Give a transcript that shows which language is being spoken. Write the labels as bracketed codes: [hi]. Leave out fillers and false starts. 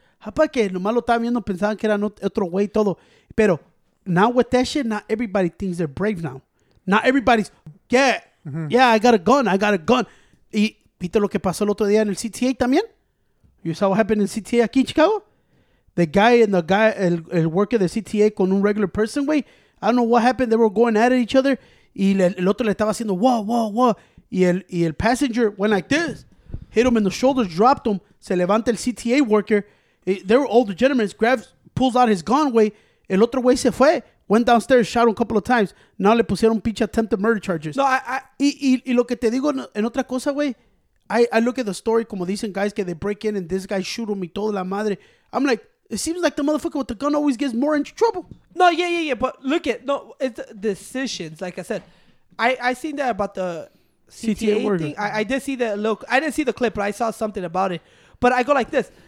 [es] Hapa que nomás lo estaba viendo, pensaban que era otro güey todo. [en] Pero now with that shit, not everybody thinks they're brave now. Not everybody's, yeah, mm-hmm. yeah, I got a gun. [es] ¿Viste lo que pasó el otro día en el CTA también? [en] You saw what happened in CTA [es] aquí en Chicago? [en] The guy, el worker de CTA con un regular person, güey. I don't know what happened. They were going at each other. [es] Y el otro le estaba haciendo, whoa, whoa, whoa. [en] Y el passenger went like this. Hit him in the shoulders, dropped him. [es] Se levanta el CTA worker. [en] They were older gentlemen. Grabs, pulls out his gun, güey. [es] El otro güey se fue. [en] Went downstairs, shot him a couple of times. Now [es] le pusieron pinche [en] attempted murder charges. [es] No, y lo que te digo en otra cosa, güey. [en] I look at the story, como dicen guys, que they break in and this guy shoot him [es] y toda la madre. [en] I'm like, it seems like the motherfucker with the gun always gets more into trouble. No, yeah. But look at, no, it's decisions. Like I said, I seen that about the CTA thing. I did see that. Look, I didn't see the clip, but I saw something about it. But I go like this.